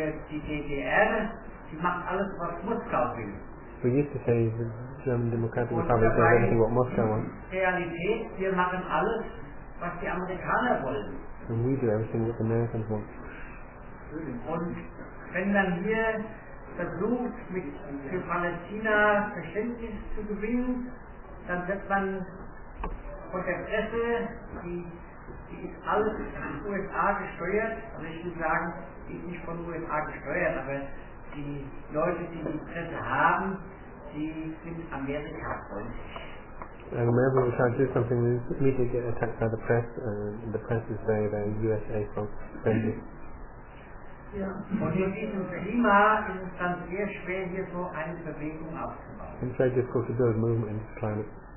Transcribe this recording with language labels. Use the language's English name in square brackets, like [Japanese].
[German] die DDR, die macht alles, was Moskau will. [English] We used to say the German Democratic Republic does everything what Moscow wants. [German] Realität, wir machen alles, was die Amerikaner wollen. [English] And we do everything what the Americans want. [German] Und wenn dann hier versucht, mit für Palästina Verständnis zu gewinnen, dann wird man von der Presse, die ist alles von USA gesteuert, also ich will sagen, die ist nicht von USA gesteuert, aber die Leute, die die Presse haben, die sind Amerika-freundlich. [English] And whenever we try to do something, we immediately get attacked by the press, and the press is very, very USA friendly. Yeah. It's very difficult to build a movement in this climate.